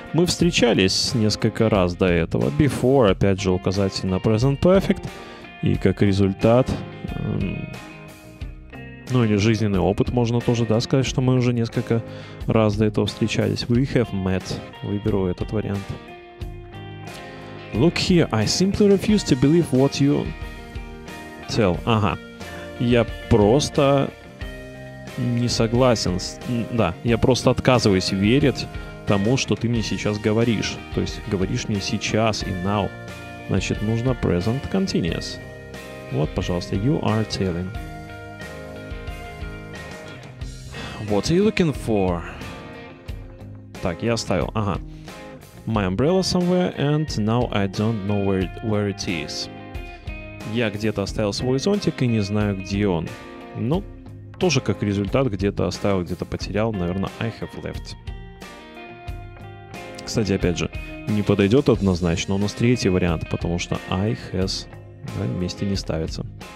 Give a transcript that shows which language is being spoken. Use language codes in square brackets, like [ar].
[ru] Мы встречались несколько раз до этого. Before, опять же, указательно present perfect. И как результат... ну или жизненный опыт, можно тоже, да, сказать, что мы уже несколько раз до этого встречались. [en] We have met. [ru] Выберу этот вариант. [en] Look here, I simply refuse to believe what you... Tell. [ru] Ага. Я просто не согласен. Да, я просто отказываюсь верить тому, что ты мне сейчас говоришь. То есть говоришь мне сейчас и now. Значит, нужно present continuous. Вот, пожалуйста, [en] you are telling. What are you looking for? [ru] Так, я оставил. Ага. [en] My umbrella somewhere and now I don't know where it is. [ru] Я где-то оставил свой зонтик и не знаю, где он. Ну, тоже как результат, где-то оставил, где-то потерял. Наверное, [en] I have left. [ru] Кстати, опять же, не подойдет однозначно. У нас третий вариант, потому что [en] I has, [ru] да, вместе не ставится.